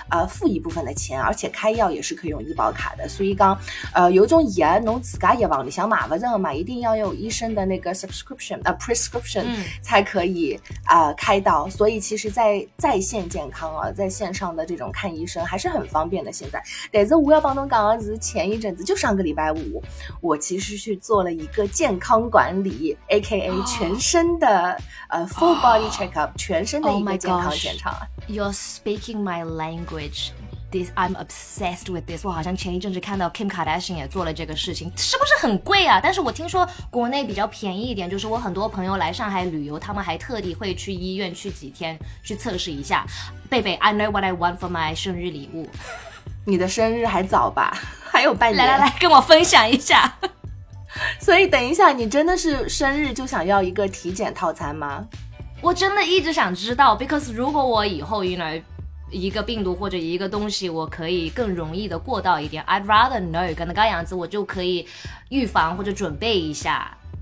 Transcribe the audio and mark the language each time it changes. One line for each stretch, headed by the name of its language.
Chinese: 付一部分的钱，而且开药也是可以用医保卡的，所以刚有种药侬自家也往里想买不着嘛，一定要有医生的那个
English: subscription prescription
Chinese: 才可以开到，所以其实在线健康啊，在线上的这种看医生还是很方便的现在。但是我要帮侬讲的是，前一阵子就上个礼拜五，我其实去做了一个健康管理 aka 全身的
English: full body checkup，
Chinese: 全身的一个健康检查。
English: Oh my gosh, you're speaking my language. This I'm obsessed with this.
Chinese: 我好像前一阵子看到 Kim Kardashian 也做了这个事情，是不是很贵啊？但是我听说国内比较便宜一点，就是我很多朋友来上海旅游，他们还特地会去医院去几天去测试一下。
English: 贝贝 I know what I want for my
Chinese: 生日礼物。你的生日还早吧，还有半年，来来来跟我分享一下。所以等一下，你真的是生日就想要一个体检套餐吗？我真的一直想知道， because 如果我以后 you know 一个病毒或者一个东西我可以更容易的过到一点，
English: I'd rather know，
Chinese: 可能这样子我就可以预防或者准备一下。